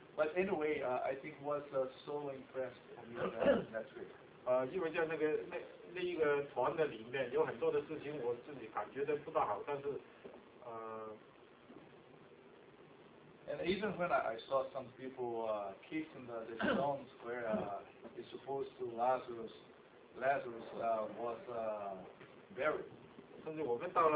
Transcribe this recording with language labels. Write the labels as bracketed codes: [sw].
[en] But anyway, I think it was so impressive for me that trip. [zh] 因为在那个团的里面有很多的事情我自己感觉得不大好，但是。 [en] And even when I saw some people kissing the stones where it's supposed to Lazarus was buried.